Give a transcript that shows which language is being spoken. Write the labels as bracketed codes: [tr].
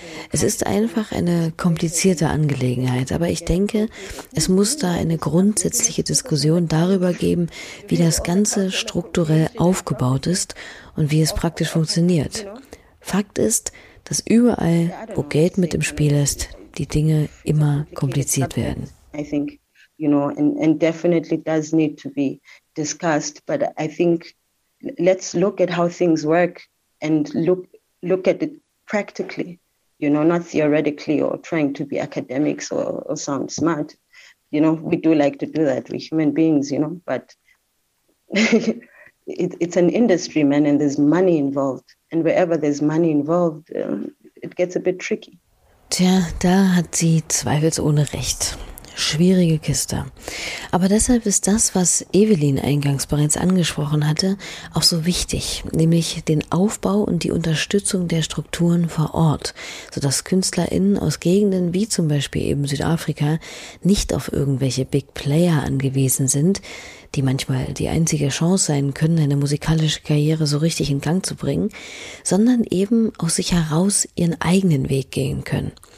[de] Es ist einfach eine komplizierte Angelegenheit, aber ich denke, es muss da eine grundsätzliche Diskussion darüber geben, wie das Ganze strukturell aufgebaut ist und wie es praktisch funktioniert. Fakt ist, dass überall, wo Geld mit im Spiel ist, die Dinge immer kompliziert werden. [en] I think, you know, and definitely does need to be discussed, but I think let's look at how things work and look at it practically, you know, not theoretically or trying to be academics or sound smart. You know, we do like to do that, we human beings, you know, but it's an industry, man, and there's money involved. And wherever there's money involved, it gets a bit tricky. [de] Tja, da hat sie zweifelsohne recht. Schwierige Kiste. Aber deshalb ist das, was Evelyn eingangs bereits angesprochen hatte, auch so wichtig, nämlich den Aufbau und die Unterstützung der Strukturen vor Ort, sodass KünstlerInnen aus Gegenden wie zum Beispiel eben Südafrika nicht auf irgendwelche Big Player angewiesen sind, die manchmal die einzige Chance sein können, eine musikalische Karriere so richtig in Gang zu bringen, sondern eben aus sich heraus ihren eigenen Weg gehen können.